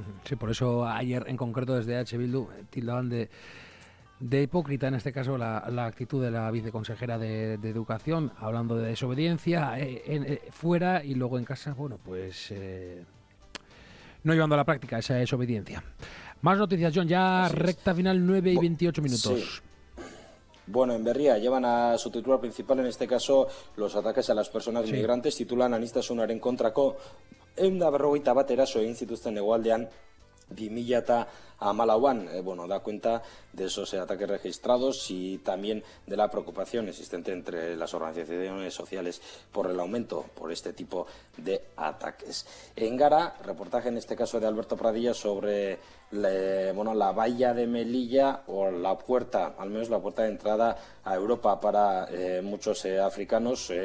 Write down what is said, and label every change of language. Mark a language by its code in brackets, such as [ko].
[es] Sí, por eso ayer en concreto desde EH Bildu tildaban de hipócrita, en este caso, la actitud de la viceconsejera de Educación, hablando de desobediencia fuera y luego en casa, bueno, pues no llevando a la práctica esa desobediencia. Más noticias, John, ya recta final, 9:28. Bueno, en Berria llevan a su titular principal, en este caso, los ataques a las personas migrantes. Titulan [eu] Aniztasunaren kontrako 141 eraso egin zituzten hegoaldean 2014. [es] Bueno, da cuenta de esos ataques registrados y también de la preocupación existente entre las organizaciones sociales por el aumento por este tipo de ataques. En Gara, reportaje en este caso de Alberto Pradilla sobre la valla de Melilla o la puerta, al menos la puerta de entrada a Europa para muchos africanos.